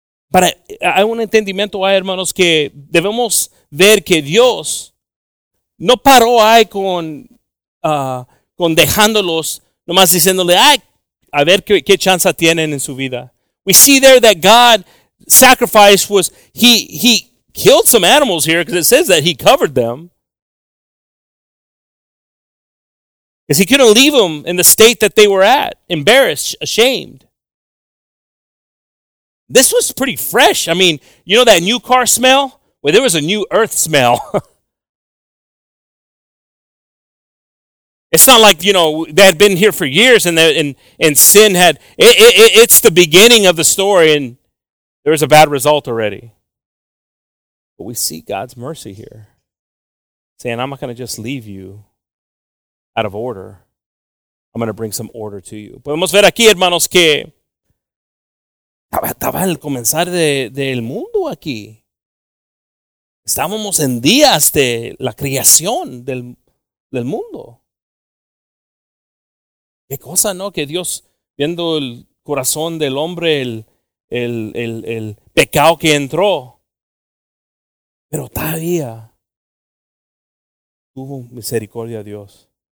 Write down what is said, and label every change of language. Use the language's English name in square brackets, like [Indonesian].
[Spanish] Para, hay un entendimiento, hay hermanos, que debemos ver que Dios no paró ahí con dejándolos, nomás diciéndole, ay, a ver qué chance tienen en su vida. [English] We see there that God sacrificed was, he killed some animals here, because it says that he covered them. Because he couldn't leave them in the state that they were at, embarrassed, ashamed. This was pretty fresh. I mean, you know that new car smell? Well, there was a new earth smell. It's not like, you know, they had been here for years and sin had, it's the beginning of the story and there was a bad result already. But we see God's mercy here, saying, I'm not going to just leave you out of order. I'm going to bring some order to you. [Spanish] Podemos ver aquí, hermanos, que estaba el comenzar del mundo aquí. Estábamos en días de la creación del mundo. Qué cosa, ¿no? Que Dios, viendo el corazón del hombre, el pecado que entró, pero todavía tuvo misericordia a Dios.